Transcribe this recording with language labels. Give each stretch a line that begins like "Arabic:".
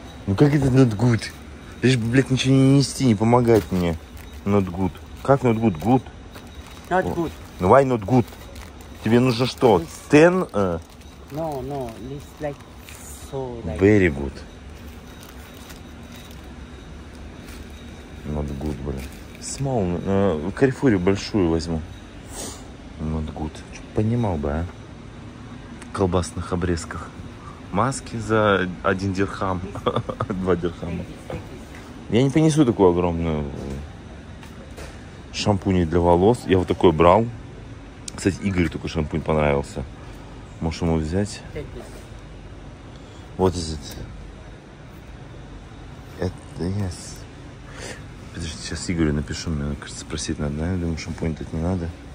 Russian: Ну как это
English: not good?
Russian: Лишь бы, блядь, ничего не нести, не помогать мне.
English: Not good.
Russian: Как
English: not good? Good? Not good.
Russian: Ну
English: why not good?
Russian: Тебе нужно что?
English: Ten? No, no, this like so like... Very good. Not good,
Russian: блин.
English: Small.
Russian: В Carrefour большую возьму.
English: Not good.
Russian: Чё, понимал бы, а? В колбасных обрезках. Маски за 1 дирхам. 2 дирхама. Я не понесу такую огромную. Шампунь для волос. Я вот такой брал. Кстати, Игорю такой шампунь понравился. Можешь ему взять.
English: What is it?
Russian: Это,
English: yes.
Russian: Подожди, сейчас Игорю напишу, мне кажется, спросить надо. Я думаю, шампунь тут не надо.